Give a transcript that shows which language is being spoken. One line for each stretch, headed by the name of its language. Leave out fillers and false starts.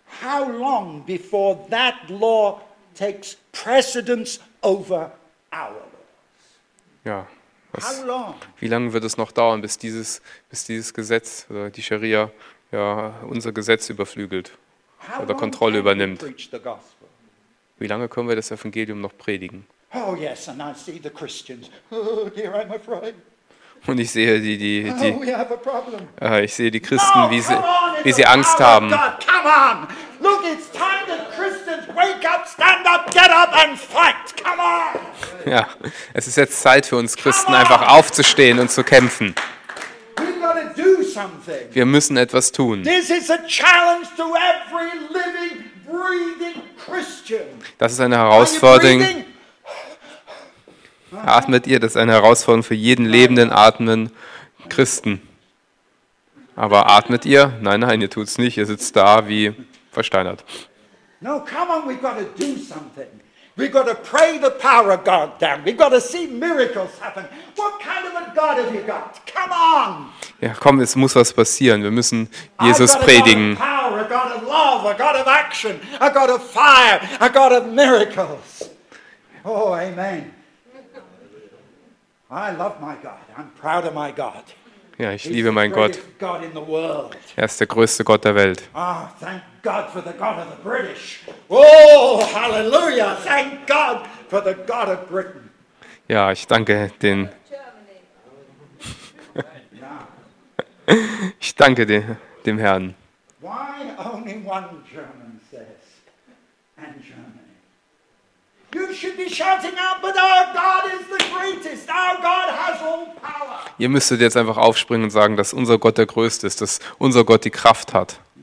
English: How long before that law takes precedence over our laws?
German: Ja. Wie lange wird es noch dauern, bis dieses Gesetz oder die Scharia unser Gesetz überflügelt oder Kontrolle übernimmt? Wie lange können wir das Evangelium noch predigen?
English: Oh yes, and I see the Christians. Oh dear, I'm afraid.
German: Und ich sehe die
English: we have a problem.
German: Ich sehe die Christen,
English: no,
German: wie sie Angst haben.
English: Come on. Look, it's time that Christians wake up, stand up, get up and fight. Come on.
German: Ja, es ist jetzt Zeit für uns Christen, einfach aufzustehen und zu kämpfen.
English: We've got to do something.
German: Wir müssen etwas tun.
English: This is a challenge to every living, breathing Christian.
German: Das ist eine Herausforderung. Atmet ihr, das ist eine Herausforderung für jeden lebenden, atmenden Christen. Aber atmet ihr? Nein, nein, ihr tut es nicht. Ihr sitzt da wie versteinert.
English: No, come on, we've got to do something. We've got to pray the power of God down. We've got to see miracles happen. What kind of a God have you got? Come on!
German: Ja, komm, es muss was passieren. Wir müssen Jesus predigen.
English: I've got a God of power, a God of love, a God of action, a God of fire, a God of miracles. Oh, amen. I love my God. I'm proud of my God.
German: Ja, ich liebe meinen Gott. Er ist der größte Gott der Welt.
English: Ah, thank God for the God of the British. Oh, hallelujah. Thank God for the God of Britain.
German: Ja, ich danke den. Ich danke dem Herrn.
English: Why only one German says, and Germany? You should be shouting out, but our God is the greatest. Our God has all power.
German: Ihr müsstet jetzt einfach aufspringen und sagen, dass unser Gott der Größte ist, dass unser Gott die Kraft hat.